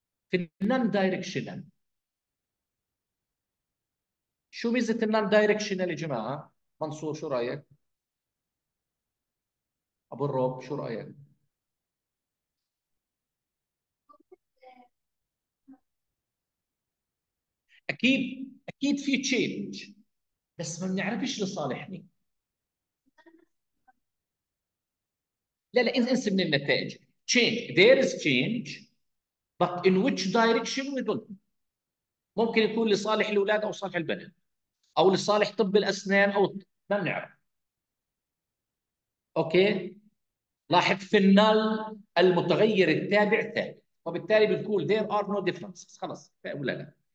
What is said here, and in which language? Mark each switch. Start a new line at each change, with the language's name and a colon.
Arabic: في النن دايركشنال شو ميزه النن دايركشنال يا جماعه؟ منصور شو رأيك؟ أبو الروب شو رأيك؟ أكيد أكيد في تشينج، بس ما بنعرفش لصالح مين. لا لا انسى من النتائج.
English: Change, there is change but in which direction we don't know.
Arabic: ممكن يكون لصالح الأولاد أو صالح البنات أو لصالح طب الأسنان أو ما بنعرف. اوكي. لاحظ في النال المتغير التابع ثابت، وبالتالي بنقول
English: there are no differences.
Arabic: خلص ولا لا.